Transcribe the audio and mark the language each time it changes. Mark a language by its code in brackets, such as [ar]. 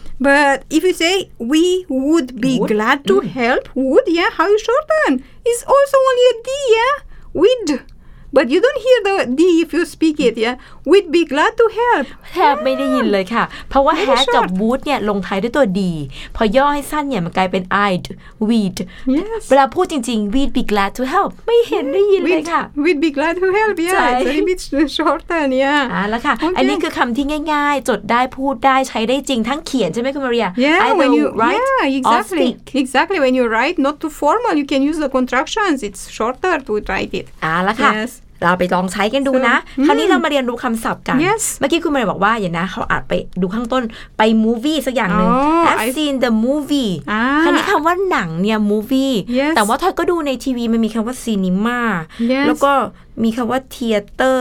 [en] But if you say we would be would? Glad to help would yeah how you shorten it's also only a d yeah we'd but you don't hear the d if you speak it yeah we'd be glad to help [th] แทบไม่ได้ยินเลยค่ะเพราะว่า had กับ would เนี่ยลงท้ายด้วยตัว d พอย่อให้สั้นเนี่ยมันกลายเป็น [en] i'd we'd yes. [th] เวลาพูดจริงๆ [en] we'd be glad to help [th] ไม่เห็นได้ยินเลยค่ะ [en] we'd be glad to help yeah it's a little bit shorter yeah [th] แล้วค่ะ [en] okay. [th] อันนี้คือคำที่ง่ายๆจดได้พูดได้ใช้ได้จริงทั้งเขียนใช่ไหมคุณมาเรีย [en] yeah when you write exactly when you write not too formal you can use the contractions it's shorter to write it [th] แล้วค่ะ [en] yes. [th] เราไปลองใช้กันดูนะคราวนี้เรามาเรียนรู้คำศัพท์กันเมื่อกี้คุณมาเรียนบอกว่าอย่างนะเขาอาจไปดูข้างต้นไปมูฟวี่สักอย่างนึง [en] I've seen the movie [th] คราวนี้คำว่าหนังเนี่ยมูฟวี่ แต่ว่าถ้าก็ดูในทีวีมันมีคำว่าซีนีม่าแล้วก็มีคำว่าเทียเตอร